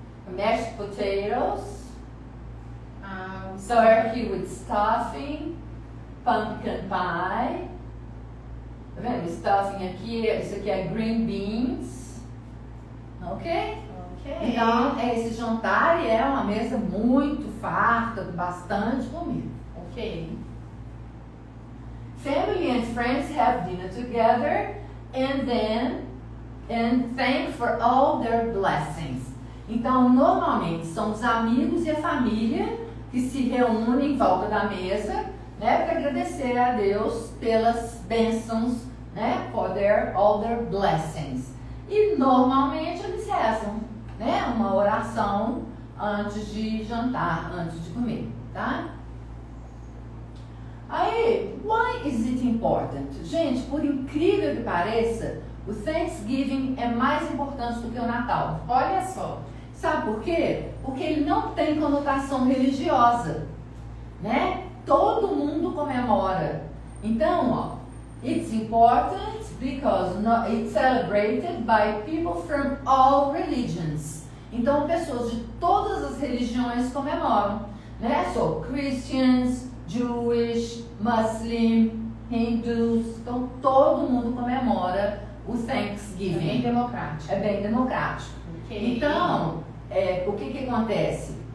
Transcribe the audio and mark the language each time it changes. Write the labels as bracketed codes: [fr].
[en] Mashed potatoes. Turkey with stuffing. Pumpkin pie. [pt] Tá vendo? Stuffing aqui, isso aqui é green beans. Ok? Ok. Então, é esse jantar e é uma mesa muito farta, com bastante comida. Ok. [en] Family and friends have dinner together and thank for all their blessings. [pt] Então, normalmente, são os amigos e a família que se reúnem em volta da mesa, né, para agradecer a Deus pelas bênçãos, né, [en] for their, all their blessings. [pt] E, normalmente, eles rezam, né, uma oração antes de jantar, antes de comer, tá? Aí, [en] why is it important? [pt] Gente, por incrível que pareça, o Thanksgiving é mais importante do que o Natal. Olha só. Sabe por quê? Porque ele não tem conotação religiosa, né? Todo mundo comemora. Então, ó, [en] it's important because it's celebrated by people from all religions. [pt] Então, pessoas de todas as religiões comemoram, né? [en] So, Christians, Jewish, Muslim, Hindus, [pt] então todo mundo comemora o Thanksgiving. É bem democrático. É bem democrático. Okay. Então, é, o que que acontece?